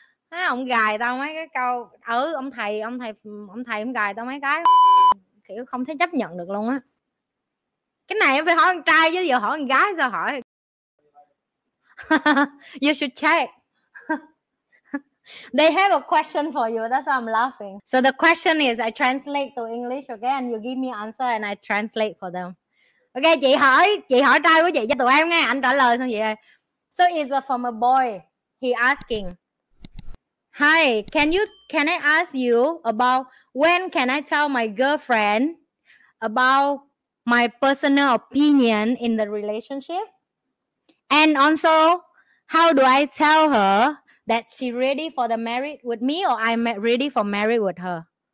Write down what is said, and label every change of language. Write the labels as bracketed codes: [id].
[vi] Ông gài tao mấy cái câu. Ừ, ông thầy ông gài tao mấy cái. Kiểu không thể chấp nhận được luôn á. Cái này em phải hỏi con trai chứ giờ hỏi con gái sao hỏi. [en] You should check. They have a question for you, that's why I'm laughing. So the question is, I translate to English, okay? And you give me answer and I translate for them. [vi] Okay, chị hỏi trai của chị cho tụi em nghe, anh trả lời xong chị ơi. [en] So it's from a boy. He asking, hi, can I ask you about when can I tell my girlfriend about my personal opinion in the relationship, and also how do I tell her that she ready for the marriage with me or I'm ready for marriage with her?